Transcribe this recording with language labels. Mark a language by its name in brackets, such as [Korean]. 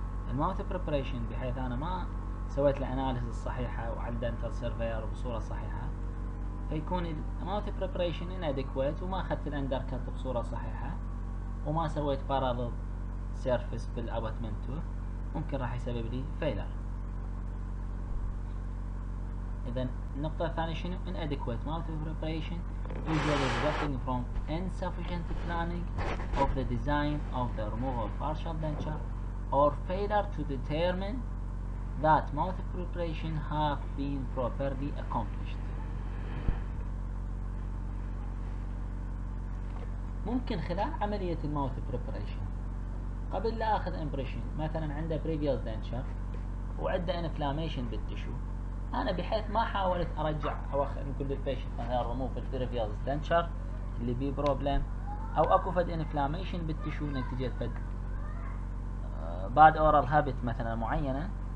[Arabic] الماوث preparation بحيث انا ما سويت الاناليز الصحيحه وعلى دنتال سيرفير بصوره صحيحه فيكون الماوث preparation inadequate وما اخذت الاندر كات بصوره صحيحه وما سويت بارالل سيرفيس بالابوتمنت ممكن راح يسبب لي فيلر. اذا النقطه الثانيه شنو؟ [English] inadequate mouth preparation usually resulting from insufficient planning of the design of the removal partial denture or failure to determine that mouth preparation have been properly accomplished. [Arabic] ممكن خلال عملية [English] mouth preparation [Arabic] قبل لا اخذ impression مثلا عنده [English] previous denture [Arabic] وعنده inflammation بالتشو انا بحيث ما حاولت ارجع او نقول للبيشنت مثلا ريموف البريفيال دنشر اللي بيه بروبلم او اكو فد انفلاميشن بالتشو نتيجه فد باد اورال هابت مثلا معينه